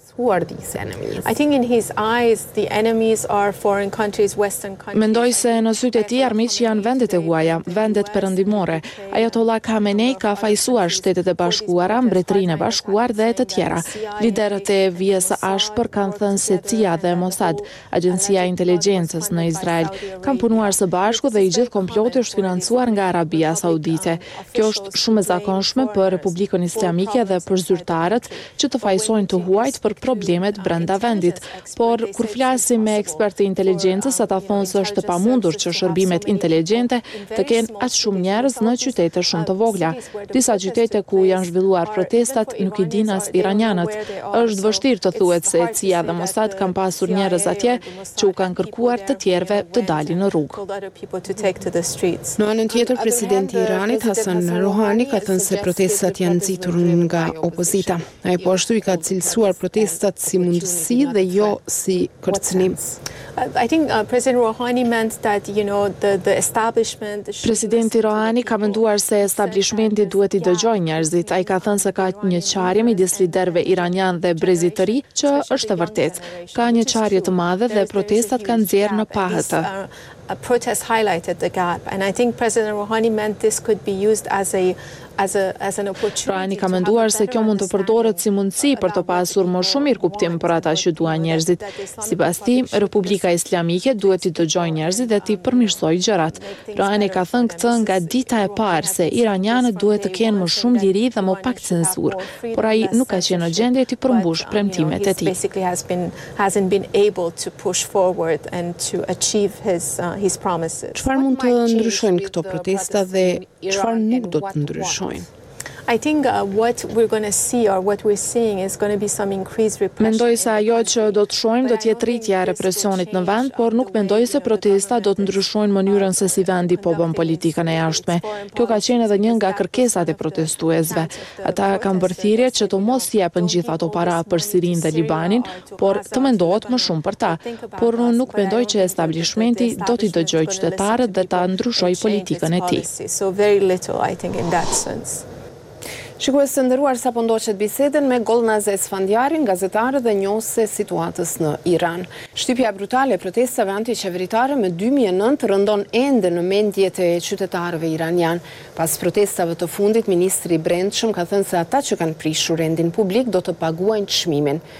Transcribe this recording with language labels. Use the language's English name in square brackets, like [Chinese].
[English] Who are these enemies? I think in his eyes the enemies are foreign countries, western countries. [Albanian] Mendoj se në sytë e tij armiqt janë vendet e huaja, vendet perëndimore. Ayatollah Khamenei ka fajsuar Shtetet e Bashkuara, Mbretërinë e Bashkuar dhe të tjera. Liderët e vijës së ashpër kanë thënë se CIA dhe Mossad, agjencia e inteligjencës në Izrael, kanë punuar së bashku dhe i gjithë komploti është financuar nga Arabia Saudite. Kjo është shumë e zakonshme për Republikën Islamike dhe për zyrtarët që të fajsojnë të huajt për problemet brenda vendit. Por, kur flasim me ekspertë e inteligjencës, ata thonë se është pamundur që shërbimet inteligjente të kenë atë shumë njerëz në qytete shumë të vogla. Disa qytete ku janë zhvilluar protestat nuk i din as iranianët. Është vështirë të thuhet se CIA dhe Mossad kanë pasur njerëz atje që u kanë kërkuar të tjerëve të dalin në rrugë. Në anën tjetër, presidenti i Iranit, Hasan Rouhani, ka thënë se protestat janë nxitur nga opozita. Ai po ashtu i ka cilësuar protestat si mundësi dhe jo si kërcënim. [English] I think President Rouhani meant that you know the establishment. [Albanian] Presidenti Rouhani ka menduar se establishmenti duhet i dëgjojë njerëzit. Ai ka thënë se ka një çarje midis liderëve iranian dhe brezit të ri që është e vërtetë. Ka një çarje të madhe dhe protestat kanë nxjerrë në pahëtë. [English] A protest highlighted the gap and I think President Rouhani meant this could be used as an opportunity. [Albanian] Rouhani ka menduar se kjo mund të përdoret si mundësi për të pasur më shumë mirë kuptim për ata që duan njerëzit. Sipas tij, Republika Islamike duhet të dëgjojë njerëzit dhe të përmirësojë gjërat. Rouhani ka thënë këtë nga dita e parë se iranianët duhet të kenë më shumë liri dhe më pak censur, por ai nuk ka qenë në gjendje të përmbush premtimet e tij. [English] Basically hasn't been able to push forward and to achieve his promises. [Albanian] Çfarë mund të ndryshojnë këto protesta dhe çfarë nuk do të ndryshojnë? [English] I think what we're going to see or what we're seeing is going to be some increased repression. [Albanian] Mendoj se ajo që do të shohim do të jetë rritja e represionit në vend, por nuk mendoj se protestat do të ndryshojnë mënyrën se si vendi po bën politikën e jashtme. Kjo ka qenë edhe një nga kërkesat e protestuesve. Ata kanë bërë thirrje që të mos jepen gjithë ato para për Sirinë dhe Libanin, por të mendohet më shumë për ta. Por unë nuk mendoj që establishmenti do t'i dëgjojë qytetarët dhe ta ndryshojë politikën e tij. [English] So very little I think in that sense. [Albanian] Shikues të nderuar, sapo ndoqet biseden me Golnaz Esfandjarin, gazetarë dhe njohse situatës në Iran. Shtypja brutale e protestave antiqeveritare me 2009 rëndon ende në mendjet e qytetarëve iranian. Pas protestave të fundit, ministri i Brendshëm ka thënë se ata që kanë prishur rendin publik do të paguajnë çmimin.